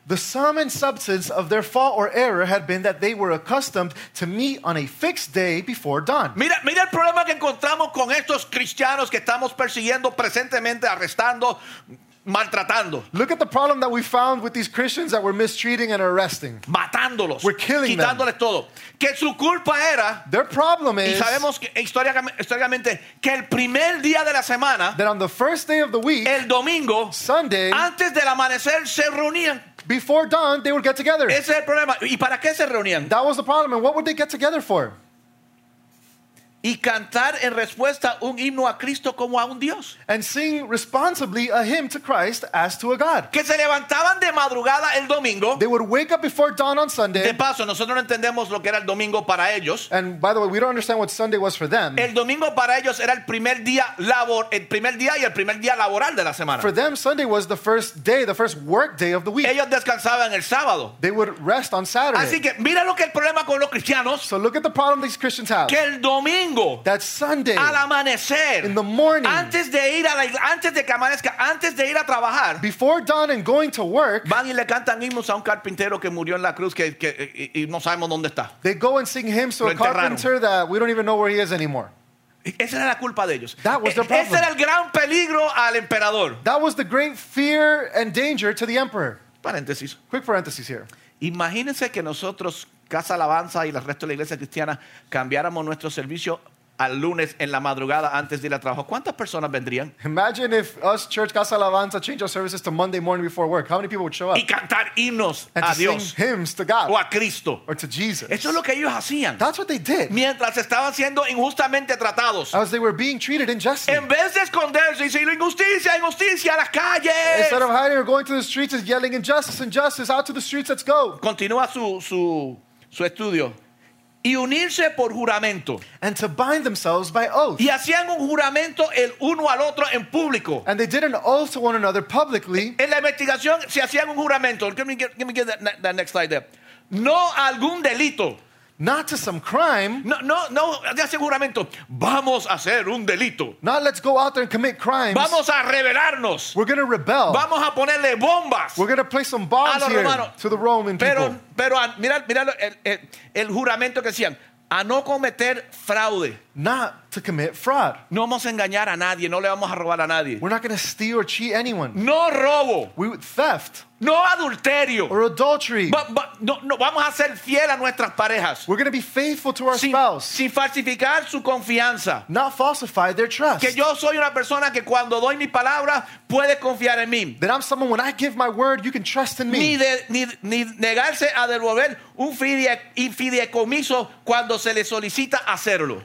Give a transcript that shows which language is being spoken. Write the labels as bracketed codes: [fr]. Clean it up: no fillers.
[en] The sum and substance of their fault or error had been that they were accustomed to meet on a fixed day before dawn. [es] Mira el problema que encontramos con estos cristianos que estamos persiguiendo presentemente, arrestando, maltratando. [en] Look at the problem that we found with these Christians that were mistreating and arresting. [es] Matándolos. [en] We're killing them. [es] Quitándoles todo. Que su culpa era. [en] Their problem is. [es] Y sabemos que históricamente que el primer día de la semana. [en] That on the first day of the week. [es] El domingo. [en] Sunday. [es] Antes del amanecer se reunían. [en] Before dawn, they would get together. [es] Ese es el problema. ¿Y para qué se reunían? [en] That was the problem. And what would they get together for? [es] Y cantar en respuesta un himno a Cristo como a un Dios. [en] And sing responsibly a hymn to Christ as to a God. [es] Que se levantaban de madrugada el domingo. [en] They would wake up before dawn on Sunday. [es] De paso, nosotros no entendemos lo que era el domingo para ellos. [en] And by the way, we don't understand what Sunday was for them. [es] El domingo para ellos era el primer día laboral de la semana. [en] For them, Sunday was the first day, the first work day of the week. [es] Ellos descansaban el sábado. [en] They would rest on Saturday. [es] Así que mira lo que el problema con los cristianos. [en] So look at the problem these Christians have. [es] Que el domingo. [en] That Sunday, [es] al amanecer, [en] in the morning, [es] antes de ir a la, antes de que amanezca, antes de ir a trabajar, [en] before dawn and going to work, [es] van y le cantan himnos a un carpintero que murió en la cruz que y no sabemos dónde está. [en] They go and sing hymns to a carpenter that we don't even know where he is anymore. [es] Esa era la culpa de ellos. [en] That was their problem. [es] Ese era el gran peligro al emperador. [en] That was the great fear and danger to the emperor. [es] Paréntesis. [en] Quick parenthesis here. [es] Imagínense que nosotros Casa Alabanza y el resto de la iglesia cristiana cambiáramos nuestro servicio al lunes en la madrugada antes de ir a trabajo. ¿Cuántas personas vendrían? [en] Imagine if us church Casa Alabanza change our services to Monday morning before work. How many people would show up? [es] Y cantar himnos [en] and [es] a [en] to [es] Dios. [en] Sing hymns to God. [es] O a Cristo. [en] Or to Jesus. [es] Eso es lo que ellos hacían. [en] That's what they did. [es] Mientras estaban siendo injustamente tratados. [en] As they were being treated unjustly. [es] En vez de esconderse y decir injusticia, injusticia a las calles. [en] Instead of hiding or going to the streets and yelling injustice, injustice, out to the streets, let's go. [es] Continúa su estudio y unirse por juramento. [en] And to bind themselves by oath. [es] Y hacían un juramento el uno al otro en público. [en] And they did an oath to one another publicly. [es] En la investigación se hacían un juramento. [en] Give me that next slide there. [es] No algún delito. [en] Not to some crime. [es] No, de hacer juramento. Vamos a hacer un delito. [en] Not let's go out there and commit crimes. [es] Vamos a rebelarnos. [en] We're going to rebel. [es] Vamos a ponerle bombas. [en] We're going to place some bombs here to the Roman people. [es] Pero mira el juramento que hacían. A no cometer fraude. [en] Not to commit fraud. [es] No vamos a engañar a nadie. No le vamos a robar a nadie. [en] We're not going to steal or cheat anyone. [es] No robo. [en] Theft. [es] No adulterio. [en] Or adultery. [es] No, vamos a ser fiel a nuestras parejas. [en] We're going to be faithful to our spouse. [es] Sin falsificar su confianza. [en] Not falsify their trust. [es] Que yo soy una persona que cuando doy mi palabra puede confiar en mí. [en] That I'm someone when I give my word you can trust in me. [es] Ni negarse a devolver un fideicomiso cuando se le solicita hacerlo.